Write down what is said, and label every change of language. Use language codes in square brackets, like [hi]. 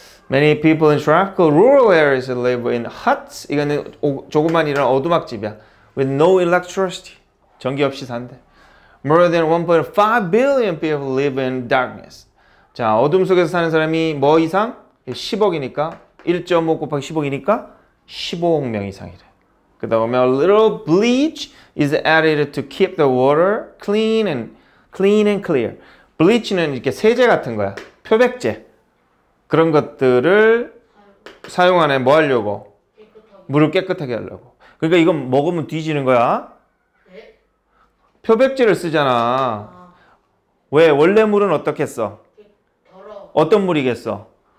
[en] Many people in tropical rural areas live in huts. [ko] 이거는 조그만 이런 오두막집이야. [en] With no electricity. [ko] 전기 없이 산대. [en] More than 1.5 billion people live in darkness. [ko] 자, 어둠 속에서 사는 사람이 뭐 이상? 10억이니까. 1.5 곱하기 10억이니까 15억 명 이상이래. 그 다음에 [en] a little bleach is added to keep the water clean and clear. [ko] Bleach는 이렇게 세제 같은 거야. 표백제. 그런 것들을 사용 안에 뭐 하려고? 깨끗하게. 물을 깨끗하게 하려고. 그러니까 이건 먹으면 뒤지는 거야. 표백제를 쓰잖아. 왜? 원래 물은 어떻겠어? 어떤 물이겠어?